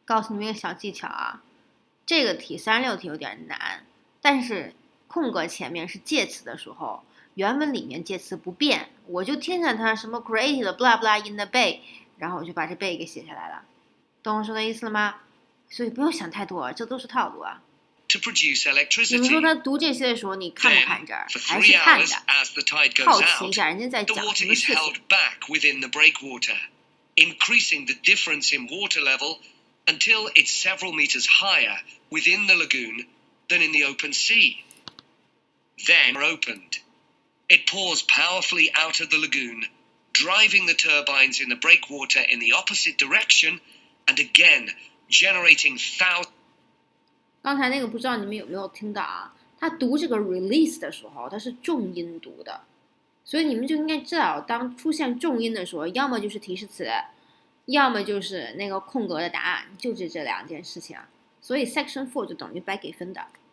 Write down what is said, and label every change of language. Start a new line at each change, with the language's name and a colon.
Chinese: 告诉你们一个小技巧啊，这个题36题有点难，但是空格前面是介词的时候，原文里面介词不变，我就听见它什么
English: created blah blah in the bay，
Chinese: 然后我就把这 bay 给写下来了，懂我说的意思了吗？所以不用想太多，这都是套路啊。
English: To produce electricity,
Chinese: 你们说他读这些的时候，你看不看这儿？
English: Then,
Chinese: 还是看的？
English: As the tide goes
Chinese: 好奇一下人家在讲什么事情。
English: The water is held back within the breakwater, increasing the difference in water level until it's several meters higher within the lagoon than in the open sea. Then opened, it pours powerfully out of the lagoon, driving the turbines in the breakwater in the opposite direction, and again generating thousands.
Chinese: 刚才那个不知道你们有没有听到啊，他读这个 release 的时候他是重音读的，所以你们就应该知道当出现重音的时候，要么就是提示词，要么就是那个空格的答案，就是这两件事情，所以 section 4就等于白给分的。